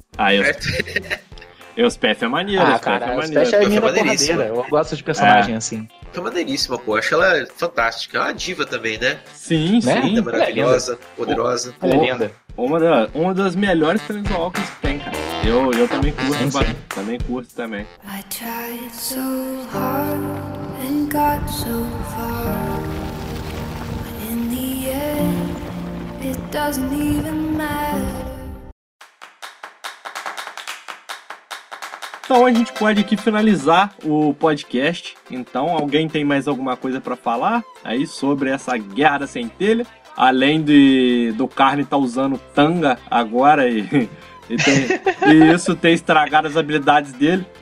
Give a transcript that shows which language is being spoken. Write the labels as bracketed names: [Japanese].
[Portuguese] Ah, Elspeth é maneiro. Ah, cara, Elspeth é menina porradeira. Eu gosto de personagem assim. Tá maneiríssima, pô. Acho ela fantástica. É uma diva também, né? Sim, né? Sim. Linda, maravilhosa, poderosa. Ela é linda. Uma das melhores Planeswalkers que tem, cara. Eu também curto, também curto. [English] I tried so hard and got so far. But in the end, it doesn't even matter. [Portuguese] Então a gente pode aqui finalizar o podcast. Então, alguém tem mais alguma coisa pra falar aí sobre essa Guerra da Centelha? Além do Karne tá usando tanga agora e isso ter estragado as habilidades dele.